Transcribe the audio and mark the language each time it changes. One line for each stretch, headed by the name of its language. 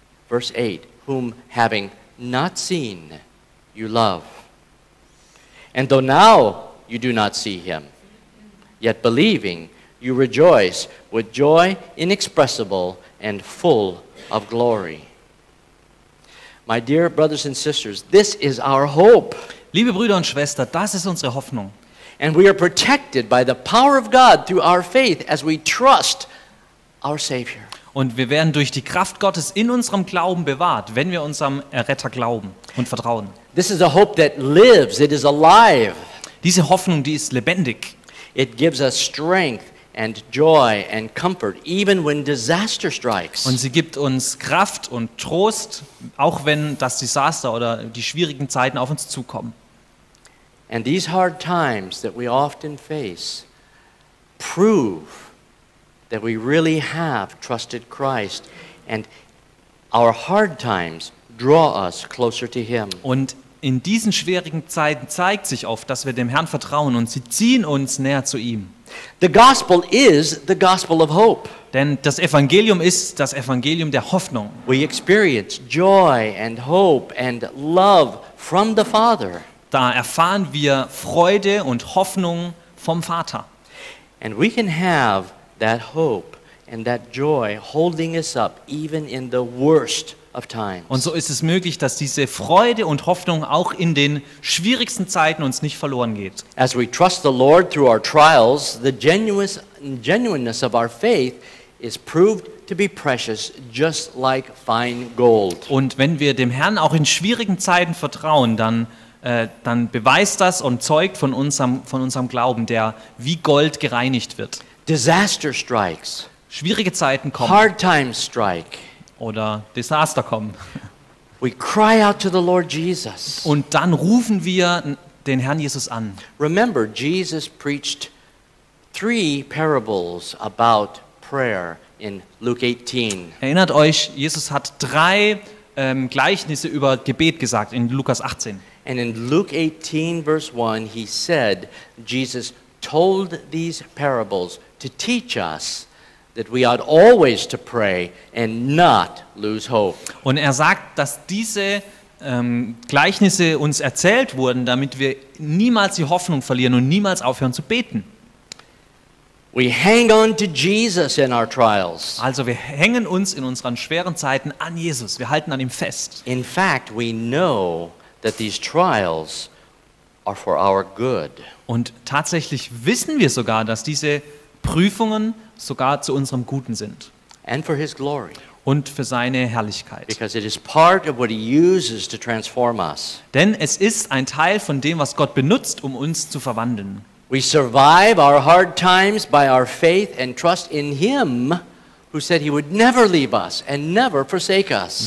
English: Verse 8, whom having not seen, you love. And though now you do not see him, yet believing, you rejoice with joy inexpressible and full of glory. My dear brothers and sisters, this is our hope.
German: Liebe Brüder und Schwestern, das ist unsere Hoffnung.
English: And we are protected by the power of God through our faith as we trust our Savior.
German: Und wir werden durch die Kraft Gottes in unserem Glauben bewahrt, wenn wir unserem Erretter glauben und vertrauen.
English: This is a hope that lives. It is alive.
German: Diese Hoffnung, die ist lebendig.
English: It gives us strength and joy and comfort, even when disaster strikes.
German: Und sie gibt uns Kraft und Trost, auch wenn das Desaster oder die schwierigen Zeiten auf uns zukommen.
English: And these hard times that we often face prove that we really have trusted Christ, and our hard times draw us closer to him.
German: Und in diesen schwierigen Zeiten zeigt sich oft, dass wir dem Herrn vertrauen, und sie ziehen uns näher zu ihm.
English: The gospel is the gospel of hope.
German: Denn das Evangelium ist das Evangelium der Hoffnung.
English: We experience joy and hope and love from the Father.
German: Da erfahren wir Freude und Hoffnung vom Vater.
English: And we can have that hope and that joy holding us up even in the worst of times.
German: Und so ist es möglich, dass diese Freude und Hoffnung auch in den schwierigsten Zeiten uns nicht verloren geht.
English: As we trust the Lord through our trials, the genuineness of our faith is proved to be precious, just like fine gold.
German: Und wenn wir dem Herrn auch in schwierigen Zeiten vertrauen, dann beweist das und zeugt von unserem Glauben, der wie Gold gereinigt wird.
English: Disaster strikes.
German: Schwierige Zeiten kommen.
English: Hard times strike.
German: Oder Desaster kommen.
English: We cry out to the Lord Jesus.
German: Und dann rufen wir den Herrn Jesus an.
English: Remember, Jesus preached three parables about prayer in Luke 18.
German: Erinnert euch, Jesus hat drei Gleichnisse über Gebet gesagt in Lukas 18.
English: And in Luke 18 verse 1 he said Jesus told these parables to teach us that we ought always to pray and not lose hope.
German: Und er sagt, dass diese Gleichnisse uns erzählt wurden, damit wir niemals die Hoffnung verlieren und niemals aufhören zu beten.
English: We hang on to Jesus in our trials.
German: Also wir hängen uns in unseren schweren Zeiten an Jesus. Wir halten an ihm fest.
English: In fact, we know that these trials are for our good.
German: Und tatsächlich wissen wir sogar, dass diese Prüfungen sogar zu unserem Guten sind.
English: And for his glory.
German: Und für seine Herrlichkeit.
English: Because it is part of what he uses to transform us.
German: Denn es ist ein Teil von dem, was Gott benutzt, um uns zu verwandeln.
English: We survive our hard times by our faith and trust in him who said he would never leave us and never forsake us.